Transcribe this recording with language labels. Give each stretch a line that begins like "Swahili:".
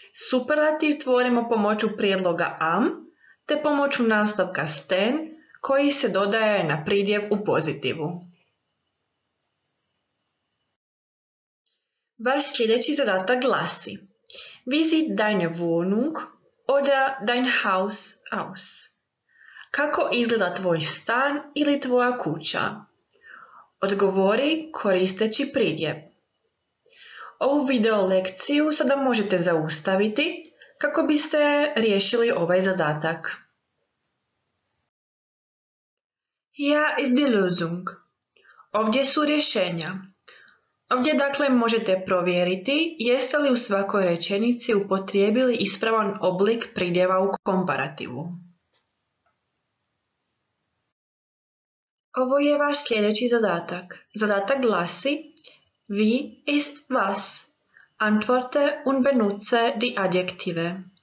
Croatian: Superlativ tvorimo pomoću prijedloga am te pomoću nastavka sten koji se dodaje na pridjev u pozitivu. Vaš sljedeći zadatak glasi:
German: Wie sieht deine Wohnung oder dein Haus aus?
Croatian: Kako izgleda tvoj stan ili tvoja kuća? Odgovori koristeći pridjev. Ovu video lekciju sada možete zaustaviti kako biste riješili ovaj zadatak.
German: Hier ist die Lösung.
Croatian: Ovdje su rješenja. Ovdje dakle možete provjeriti jeste li u svakoj rečenici upotrijebili ispravan oblik pridjeva u komparativu. Ovo je vaš sljedeći zadatak. Zadatak glasi:
German: Wie ist was? Antworte und benutze die Adjektive.